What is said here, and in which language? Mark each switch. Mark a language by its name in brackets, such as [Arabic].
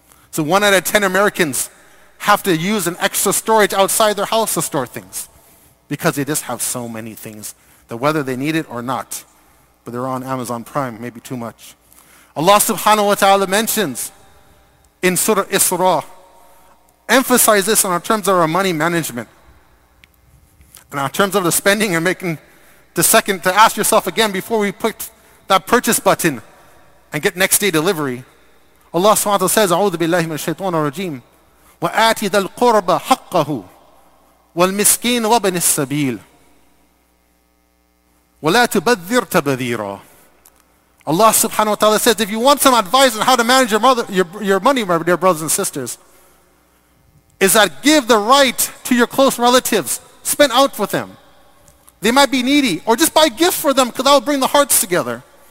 [English] So 1 out of 10 Americans have to use an extra storage outside their house to store things because they just have so many things that whether they need it or not, but they're on Amazon Prime, maybe too much. Allah subhanahu wa ta'ala mentions in Surah Isra, emphasize this in our terms of our money management, in our terms of the spending and making the second to ask yourself again before we put that purchase button and get next day delivery. Allah subhanahu wa ta'ala says, [Arabic] أعوذ بالله من الشيطان الرجيم وآتي ذا القربى حقه والمسكين وابن السبيل ولا تبذر تبذيرا. [English] Allah subhanahu wa ta'ala says, if you want some advice on how to manage your money, my dear brothers and sisters, is that give the right to your close relatives, spend out for them. They might be needy, or just buy gifts for them because that will bring the hearts together.